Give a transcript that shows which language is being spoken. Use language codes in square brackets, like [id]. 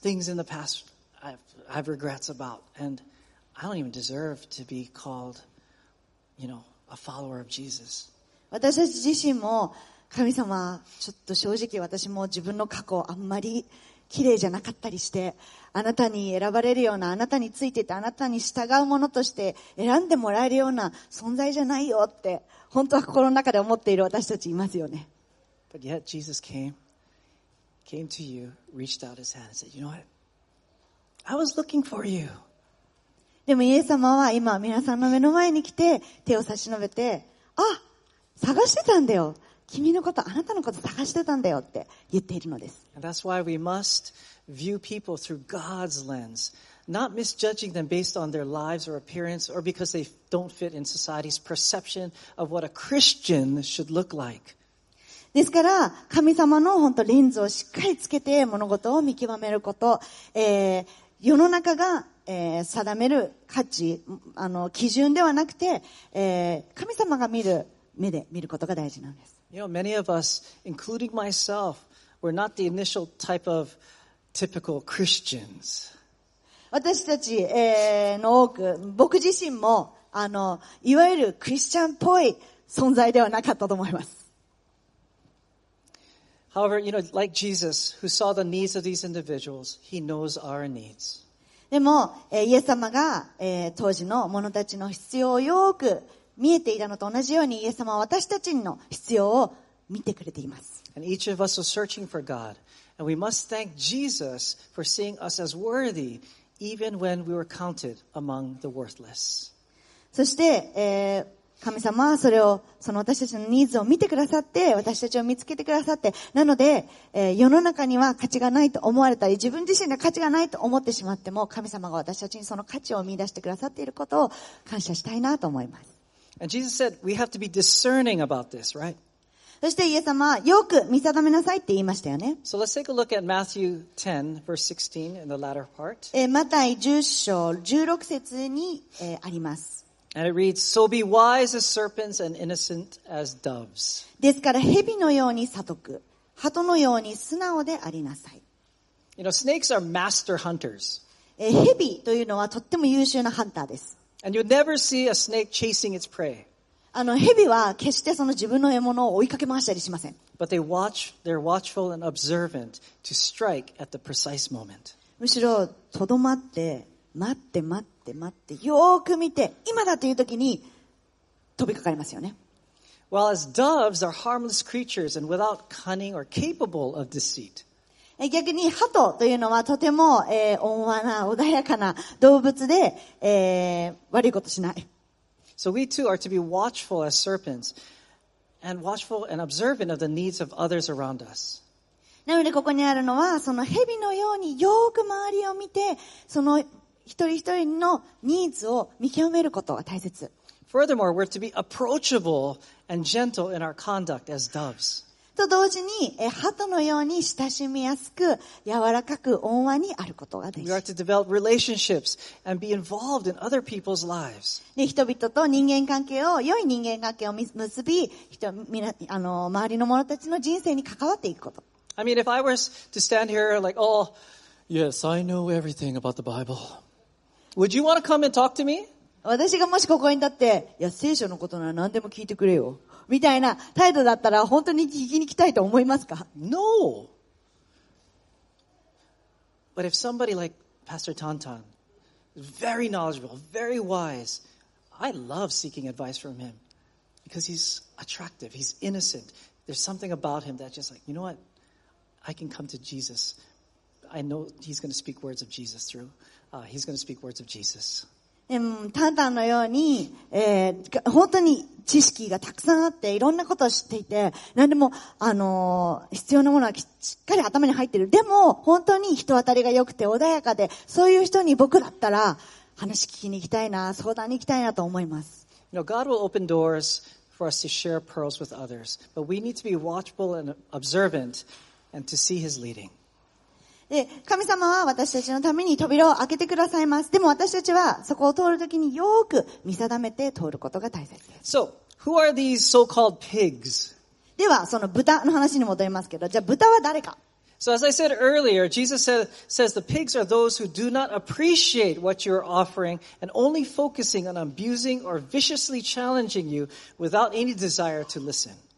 [en] Things in the past I've regrets about, and I don't even deserve to be calledYou know, a follower of Jesus. [ja] 私たち自身も神様、ちょっと正直私も自分の過去あんまり綺麗じゃなかったりして、あなたに選ばれるような、あなたについていて、あなたに従うものとして選んでもらえるような存在じゃないよって本当は心の中で思っている私たちいますよね。 [en] But yet Jesus came to you, reached out his hand and said, You know what? I was looking for you. [ja] でもイエス様は今皆さんの目の前に来て手を差し伸べて、あ、探してたんだよ。君のこと、あなたのこと探してたんだよって言っているのです。 [en] That's why we must view people through God's lens, not misjudging them based on their lives or appearance or because they don't fit in society's perception of what a Christian should look like. [ja] ですから神様の本当レンズをしっかりつけて物事を見極めること、世の中が定める価値基準ではなくて、神様が見る目で見ることが大事なんです。 [en] You know, many of us, including myself, were not the initial type of typical Christians. [ja] 私たち、の多く、僕自身も、いわゆるクリスチャンっぽい存在ではなかったと思います。 [en] However, you know, like Jesus, who saw the needs of these individuals, he knows our needs. [ja] でも、イエス様が、当時の者たちの必要をよく見えていたのと同じように、イエス様は私たちの必要を見てくれています。 [en] And each of us was searching for God. And we must thank Jesus for seeing us as worthy, even when we were counted among the worthless. [ja] そして、神様はそれを、その私たちのニーズを見てくださって、私たちを見つけてくださって、なので、世の中には価値がないと思われたり、自分自身が価値がないと思ってしまっても、神様が私たちにその価値を見出してくださっていることを感謝したいなと思います。 [en] And Jesus said, we have to be discerning about this, right? [ja] そしてイエス様はよく見定めなさいって言いましたよね。 [en] So let's take a look at Matthew 10, verse 16 in the latter part. [ja] マタイ10章16節に、あります。 [en] And it reads, so be wise as serpents and innocent as doves. [ja] ですから蛇のように悟く、鳩のように素直でありなさい。 [en] You know, snakes are master hunters. [ja] 蛇というのはとっても優秀なハンターです。 [en] And you'll never see a snake chasing its prey. [ja] 蛇は決してその自分の獲物を追いかけ回したりしません。 [en] But they watch, they're watchful and observant to strike at the precise moment. [ja] むしろとどまって、待って待って、待ってよーく見て今だという時に飛びかかりますよね。 [en] Well, as doves are harmless creatures and without cunning or capable of deceit. [ja] 逆に鳩というのはとても、温和な穏やかな動物で、悪いことしない。 [en] So we too are to be watchful as serpents and watchful and observant of the needs of others around us. [ja] なのでここにあるのはその蛇のようによーく周りを見てその一人一人のニーズを見極めることが大切。 [en] Furthermore, we're to be approachable and gentle in our conduct as doves. [ja] と同時に、鳩のように親しみやすく、柔らかく温和にあることが大事。 [en] We are to develop relationships and be involved in other people's lives. [ja] 人々と人間関係を、良い人間関係を結び、周りの者たちの人生に関わっていくこと。 [en] I mean, if I was to stand here like, oh,Yes, I know everything about the Bible. Would you want to come and talk to me? [ja] 私がもしここに立って、いや、聖書のことなら何でも聞いてくれよ。みたいな態度だったら本当に聞きに来たいと思いますか? [en] No! But if somebody like Pastor Tantan, very knowledgeable, very wise, I love seeking advice from him. Because he's attractive, he's innocent. There's something about him that's just like, you know what? I can come to Jesus. I know he's going to speak words of Jesus through. He's going to speak words of Jesus. [ja] タンタンのように、本当に知識がたくさんあって、いろんなことを知っていて、何でも、必要なものはしっかり頭に入っている。でも、本当に人当たりが良くて穏やかで、そういう人に僕だったら、話聞きに行きたいな、相談に行きたいなと思います。 [en] You know, God will open doors for us to share pearls with others, but we need to be watchful and observant and to see his leading. [ja] で神様は私たちのために扉を開けてくださいます。でも私たちはそこを通るときによく見定めて通ることが大切です。 [en] So, who are these so-called pigs? [ja] では、その豚の話に戻りますけど、じゃあ豚は誰か? [en] So, as I said earlier, Jesus says the pigs are those who do not appreciate what you're offering and only focusing on abusing or viciously challenging you without any desire to listen.